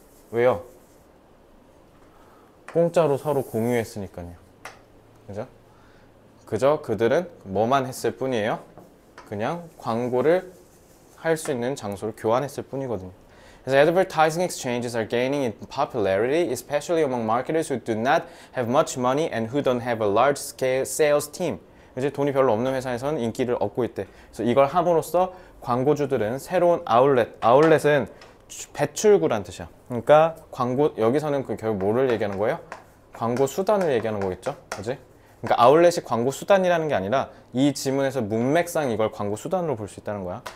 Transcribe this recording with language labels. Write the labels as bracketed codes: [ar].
[ko] 왜요? 공짜로 서로 공유했으니까요. 그죠? 그저 그들은 뭐만 했을 뿐이에요? 그냥 광고를 할수 있는 장소를 교환했을 뿐이거든요. 그래서 [en] advertising exchanges are gaining in popularity, especially among marketers who do not have much money and who don't have a large scale sales team. [ko] 이제 돈이 별로 없는 회사에서는 인기를 얻고 있대. 그래서 이걸 함으로써 광고주들은 새로운 아울렛, 아울렛은 배출구란 뜻이야. 그러니까 광고, 여기서는 그 결국 뭐를 얘기하는 거예요? 광고 수단을 얘기하는 거겠죠? 그지? 그러니까 아울렛이 광고 수단이라는 게 아니라 이 지문에서 문맥상 이걸 광고 수단으로 볼수 있다는 거야.